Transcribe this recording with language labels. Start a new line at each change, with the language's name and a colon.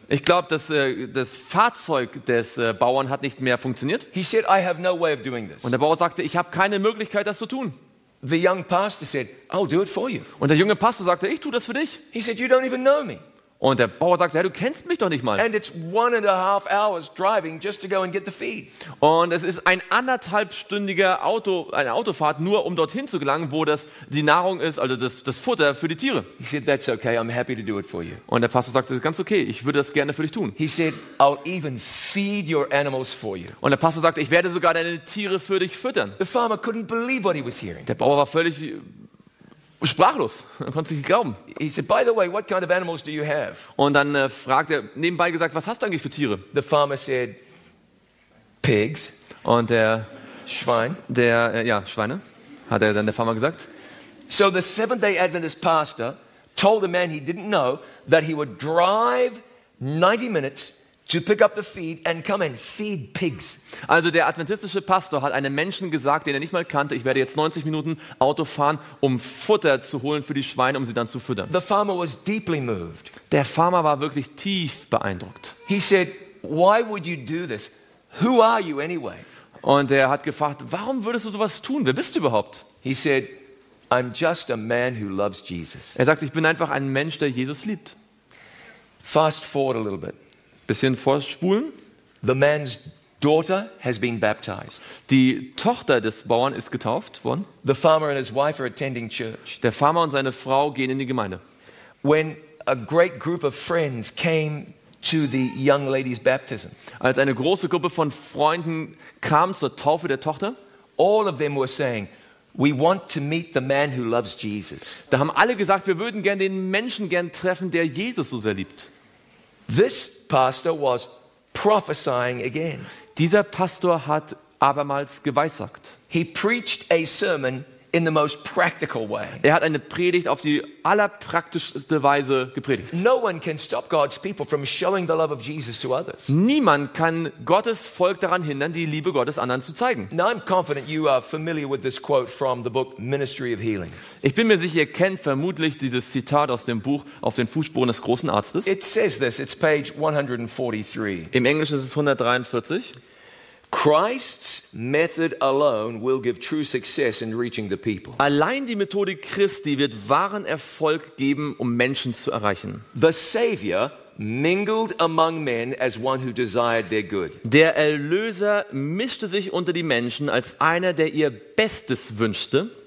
German: Ich glaube, das Fahrzeug des Bauern hat nicht mehr funktioniert.
English: He said, I have no way of doing this.
German: Und der Bauer sagte, ich habe keine Möglichkeit, das zu tun.
English: The young pastor said, I'll do it for you.
German: Und der junge Pastor sagte, ich tue das für dich.
English: He said, you don't even know me.
German: Und der Bauer sagt, hey, du kennst mich doch nicht mal.
English: And it's 1.5 hours driving just to go and get the feed.
German: Und es ist ein anderthalbstündiger Auto, eine Autofahrt, nur um dorthin zu gelangen, wo das die Nahrung ist, also das Futter für die Tiere.
English: He said, that's okay, I'm happy to do it for you.
German: Und der Pastor sagte, das ist ganz okay, ich würde das gerne für dich tun.
English: He said, I'll even feed your animals for you.
German: Und der Pastor sagte, ich werde sogar deine Tiere für dich füttern.
English: The farmer couldn't believe what he was hearing.
German: Der Bauer war völlig sprachlos, man konnte sich nicht glauben.
English: He said, by the way, what kind of animals do you have?
German: Und dann fragt er nebenbei gesagt, was hast du eigentlich für Tiere?
English: The farmer said, pigs.
German: Und der Schwein. Der Schweine, hat er dann der Farmer gesagt.
English: So the Seventh-day Adventist pastor told a man he didn't know that he would drive 90 minutes to pick up the feed and come and feed pigs.
German: Also der adventistische Pastor hat einem Menschen gesagt, den er nicht mal kannte, ich werde jetzt 90 Minuten Auto fahren, um Futter zu holen für die Schweine, um sie dann zu füttern.
English: The farmer was deeply moved.
German: Der Farmer war wirklich tief beeindruckt.
English: He said, "Why would you do this? Who are you anyway?"
German: Und er hat gefragt, warum würdest du sowas tun? Wer bist du überhaupt?
English: He said, "I'm just a man who loves Jesus."
German: Er sagt, ich bin einfach ein Mensch, der Jesus liebt.
English: Fast forward a little bit.
German: Bisschen vorspulen.
English: The man's daughter has been baptized.
German: Die Tochter des Bauern ist getauft worden.
English: The farmer and his wife are attending church.
German: Der Farmer und seine Frau gehen in die Gemeinde.
English: When a great group of friends came to the young lady's baptism.
German: Als eine große Gruppe von Freunden kam zur Taufe der Tochter,
English: all of them were saying, "We want to meet the man who loves Jesus."
German: Da haben alle gesagt, wir würden gern den Menschen gern treffen, der Jesus so sehr liebt.
English: This pastor was prophesying again.
German: Dieser Pastor hat abermals geweissagt.
English: He preached a sermon in the most practical way.
German: Er hat eine Predigt auf die allerpraktischste Weise gepredigt.
English: No one can stop God's people from showing the love of Jesus to others.
German: Niemand kann Gottes Volk daran hindern, die Liebe Gottes anderen zu zeigen.
English: Now I'm confident you are familiar with this quote from the book Ministry of Healing.
German: Ich bin mir sicher, ihr kennt vermutlich dieses Zitat aus dem Buch Auf den Fußspuren des großen Arztes.
English: It says this, it's page 143.
German: Im Englischen ist es 143.
English: Christ's method alone will give true success in reaching the people.
German: Allein die Methode Christi wird wahren Erfolg geben, um Menschen zu erreichen.
English: The Savior mingled among men as one who desired their good.
German: Der Erlöser mischte sich unter die Menschen als einer, der ihr Bestes wünschte.